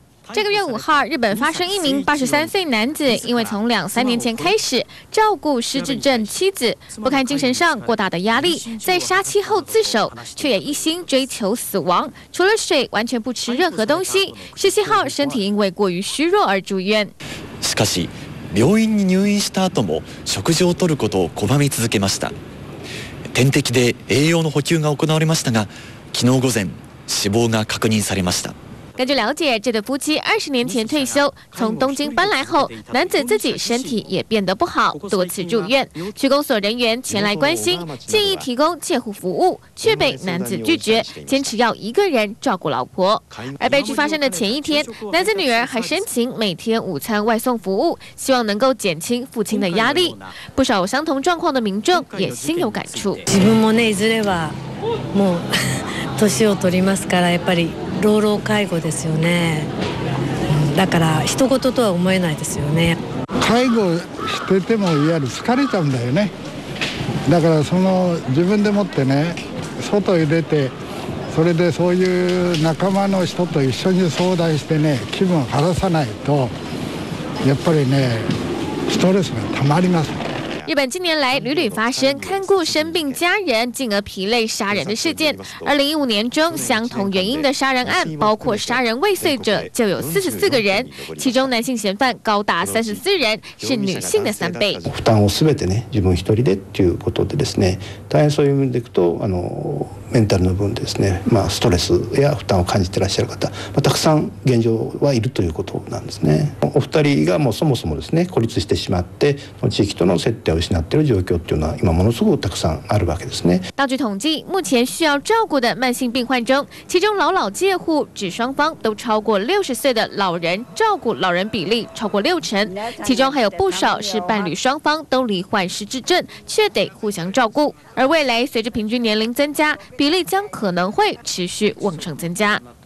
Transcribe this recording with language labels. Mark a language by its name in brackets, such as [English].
[Chinese] 这个月5号，日本发生一名83岁男子，因为从2-3年前开始照顾失智症妻子，不堪精神上过大的压力，在杀妻后自首，却也一心追求死亡，除了水完全不吃任何东西。 17号，身体因为过于虚弱而住院。 [Japanese] しかし、病院に入院した後も食事を取ることを拒み続けました。点滴で栄養の補給が行われましたが、昨日午前死亡が確認されました。 [Chinese] 根据了解，这对夫妻20年前退休，从东京搬来后，男子自己身体也变得不好，多次住院。区公所人员前来关心，建议提供介护服务，却被男子拒绝，坚持要一个人照顾老婆。而悲剧发生的前一天，男子女儿还申请每天午餐外送服务，希望能够减轻父亲的压力。不少相同状况的民众也心有感触。 [Japanese] 自分もね、いずれはもう年を取りますから、やっぱり。老老介護ですよね。だから一言とは思えないですよね。介護しててもいわゆる疲れちゃうんだよね。だからその自分でもってね、外へ出て、それでそういう仲間の人と一緒に相談してね、気分を晴らさないと、やっぱりね、ストレスがたまります。 [Chinese] 日本近年来屡屡发生看顾生病家人进而疲累杀人的事件，2015年中相同原因的杀人案，包括杀人未遂者就有44个人，其中男性嫌犯高达34人，是女性的3倍。 [Japanese] 負担をすべてね、自分一人でっていうことでですね、大変そういう意味でいくと、メンタルの部分ですね、ストレスや負担を感じていらっしゃる方、たくさん現状はいるということなんですね。お二人がもうそもそもですね、孤立してしまって、その地域との接点を失っている状況っていうのは今ものすごくたくさんあるわけですね。 [Chinese] 大局統計、目前需要照顧的慢性病患中、其中老老介護、指双方都超过60岁的老人照顧老人比例超过60%，其中还有不少是伴侣双方都罹患失智症，却得互相照顧。而未来随着平均年龄增加，比例将可能会持续往上增加。